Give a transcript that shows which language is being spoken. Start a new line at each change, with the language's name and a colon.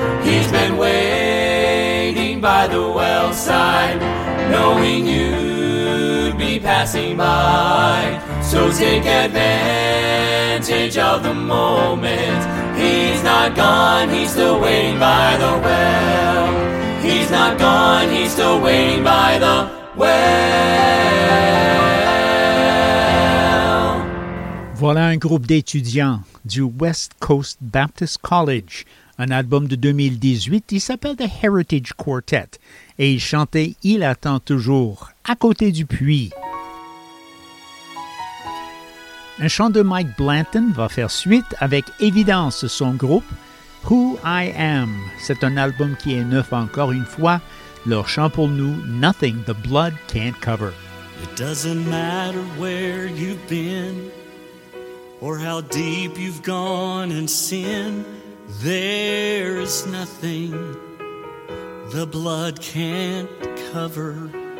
English: He's been waiting by the well side, knowing you'd be passing by. So take advantage of the moment. He's not gone, He's still waiting by the well. He's not gone, He's still waiting by the
French: Voilà un groupe d'étudiants du West Coast Baptist College. Un album de 2018, il s'appelle The Heritage Quartet. Et il chantait « Il attend toujours » à côté du puits. Un chant de Mike Blanton va faire suite avec évidence son groupe « Who I Am ». C'est un album qui est neuf encore une fois. Leur chant pour nous, Nothing the Blood Can't Cover.
English: It doesn't matter where you've been or how deep you've gone in sin. There is nothing the blood can't cover.